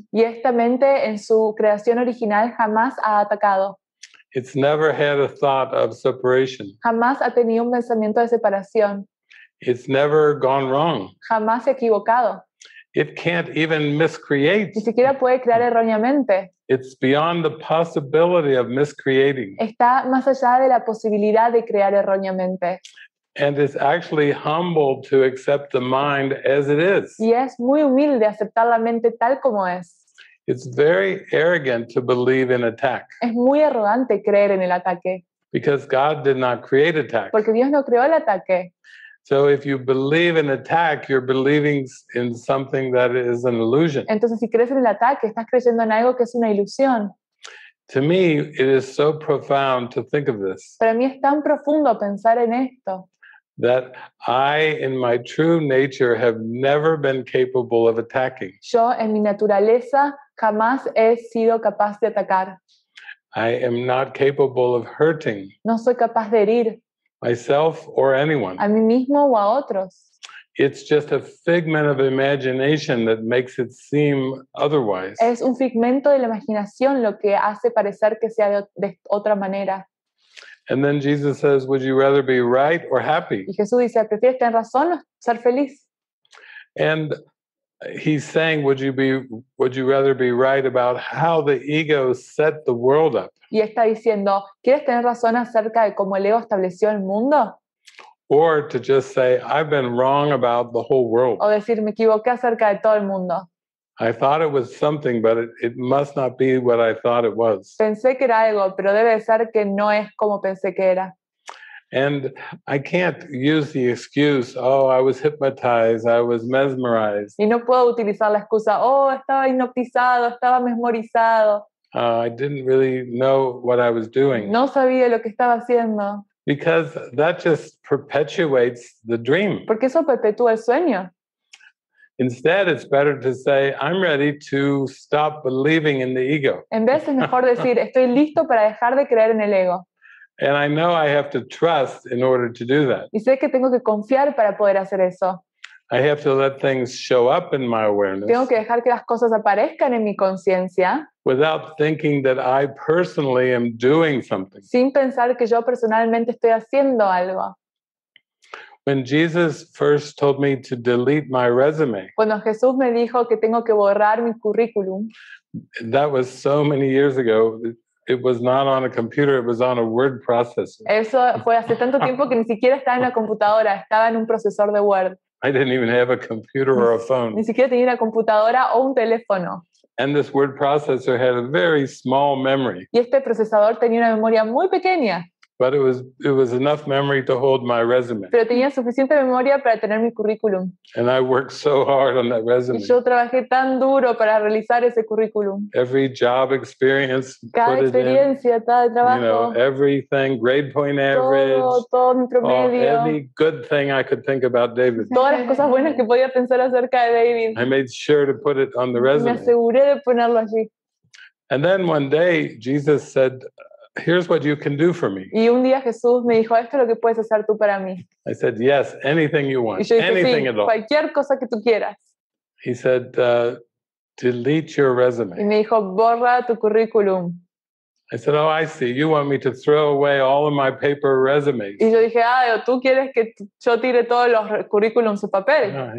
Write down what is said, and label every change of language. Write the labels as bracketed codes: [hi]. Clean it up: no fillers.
[es] Y esta mente en su creación original jamás ha atacado. [en] It's never had a thought of separation. [es] Jamás ha tenido un pensamiento de separación. [en] It's never gone wrong. [es] Jamás se ha equivocado. [en] It can't even miscreate. [es] Ni siquiera puede crear erróneamente. [en] It's beyond the possibility of miscreating. [es] Está más allá de la posibilidad de crear erróneamente. [en] And is actually humble to accept the mind as it is. [es] Y es muy humilde aceptar la mente tal como es. [en] It's very arrogant to believe in attack. [es] Es muy arrogante creer en el ataque. [en] Because God did not create attack. [es] Porque Dios no creó el ataque. [en] So if you believe in attack, you're believing in something that is an illusion. [es] Entonces si crees en el ataque, estás creyendo en algo que es una ilusión. [en] To me, it is so profound to think of this. [es] Para mí es tan profundo pensar en esto. [en] That I, in my true nature, have never been capable of attacking. [es] Yo, en mi naturaleza, jamás he sido capaz de atacar. [en] I am not capable of hurting. [es] No soy capaz de herir. [en] Myself or anyone. [es] A mí mismo o a otros. [en] It's just a figment of imagination that makes it seem otherwise. [es] Es un figmento de la imaginación lo que hace parecer que sea de otra manera. [en] And then Jesus says, "Would you rather be right or happy?" [es] Y Jesús dice, ¿prefieres tener razón o ser feliz? [en] And he's saying, "Would you rather be right about how the ego set the world up?" [es] Y está diciendo, ¿quieres tener razón acerca de cómo el ego estableció el mundo? [en] Or to just say, I've been wrong about the whole world. [es] O decir, me equivoqué acerca de todo el mundo. [en] I thought it was something, but it must not be what I thought it was. [es] Pensé que era algo, pero debe ser que no es como pensé que era. [en] And I can't use the excuse, oh, I was hypnotized, I was mesmerized. [es] Y no puedo utilizar la excusa, oh, estaba hipnotizado, estaba mesmerizado. [en] I didn't really know what I was doing. [es] No sabía lo que estaba haciendo. [en] Because that just perpetuates the dream. [es] Porque eso perpetúa el sueño. [en] Instead, it's better to say, I'm ready to stop believing in the ego. [es] En vez es mejor decir, estoy listo para dejar de creer en el ego. [en] And I know I have to trust in order to do that. [es] Y sé que tengo que confiar para poder hacer eso. [en] I have to let things show up in my awareness. [es] Tengo que dejar que las cosas aparezcan en mi conciencia. [en] Without thinking that I personally am doing something. [es] Sin pensar que yo personalmente estoy haciendo algo. [en] When Jesus first told me to delete my resume. [es] Cuando Jesús me dijo que tengo que borrar mi currículum. [en] That was so many years ago. It was not on a computer, it was on a word processor. [es] Eso fue hace tanto tiempo que ni siquiera estaba en la computadora, estaba en un procesador de Word. [en] I didn't even have a computer or a phone. [es] Ni siquiera tenía una computadora o un teléfono. [en] And this word processor had a very small memory. [es] Y este procesador tenía una memoria muy pequeña. [en] But it was enough memory to hold my resume. [es] Pero tenía suficiente memoria para tener mi currículum. [en] And I worked so hard on that resume. [es] Y yo trabajé tan duro para realizar ese currículum. [en] Every job experience. [es] Cada experiencia, cada trabajo. [en] You know, everything, grade point average. [es] Todo mi promedio. [en] Any good thing I could think about David. [es] Todas las cosas buenas que podía pensar acerca de David. [en] I made sure to put it on the resume. [es] Me aseguré de ponerlo allí. [en] And then one day Jesus said, here's what you can do for me. [es] Y un día Jesús me dijo, esto es lo que puedes hacer tú para mí. [en] I said, yes, anything you want, anything at all. [es] Cualquier cosa que tú quieras. [en] He said, delete your resume. [es] Y me dijo, borra tu currículum. [en] I said, oh, I see. You want me to throw away all of my paper resumes. [es] Y yo dije, tú quieres que yo tire todos los currículums de papel.